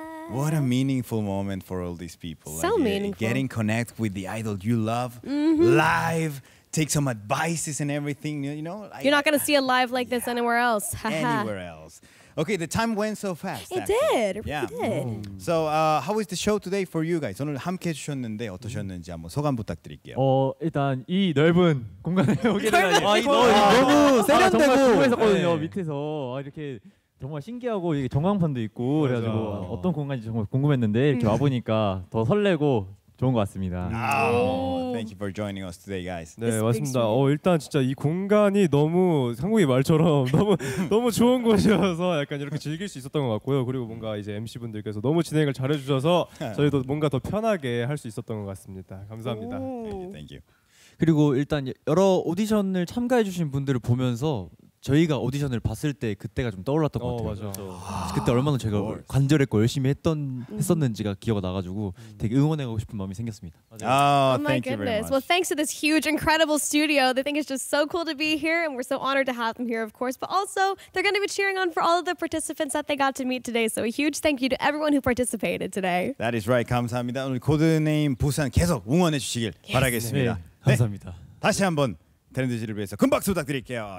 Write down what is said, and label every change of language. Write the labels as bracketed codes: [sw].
[en] What a meaningful moment for all these people. So like, meaningful. Getting connect with the idol you love live, take some advices and everything, you know? You're not going to see a live like this anywhere else. Anywhere else. Okay, the time went so fast. It really did. So, how was the show today for you guys? [ko] 오늘 함께 해주셨는데 어떠셨는지 한번 소감 부탁드릴게요. 일단 이 넓은 공간에 오게 되다니. 너무 세련되고. 했었거든요, 밑에서. 이렇게. 정말 신기하고 이게 전광판도 있고 맞아. 그래가지고 어떤 공간인지 정말 궁금했는데 이렇게 와보니까 더 설레고 좋은 것 같습니다. [en] Thank you for joining us today, guys. [ko] 네, 맞습니다. 일단 진짜 이 공간이 너무 한국의 말처럼 너무 너무 좋은 곳이어서 약간 이렇게 즐길 수 있었던 것 같고요. 그리고 뭔가 이제 MC분들께서 너무 진행을 잘해주셔서 저희도 뭔가 더 편하게 할 수 있었던 것 같습니다. 감사합니다. [en] Thank you. [ko] 그리고 일단 여러 오디션을 참가해주신 분들을 보면서 저희가 오디션을 봤을 때 그때가 좀 떠올랐던 것 같아요. 맞아. 그때 얼마나 제가 간절했고 열심히 했었는지가 기억이 나가지고 되게 응원하고 싶은 마음이 생겼습니다. [en] 아, thank you very much. Well, thanks to this huge, incredible studio. They think it's just so cool to be here, and we're so honored to have them here, of course. But also, they're going to be cheering on for all of the participants that they got to meet today. So a huge thank you to everyone who participated today. That is right. [ko] 감사합니다. 오늘 코드네임 부산 계속 응원해 주시길 yes. 바라겠습니다. 네. 네. 감사합니다. 네. 다시 한번 트렌드지를 위해서 큰 박수 부탁드릴게요.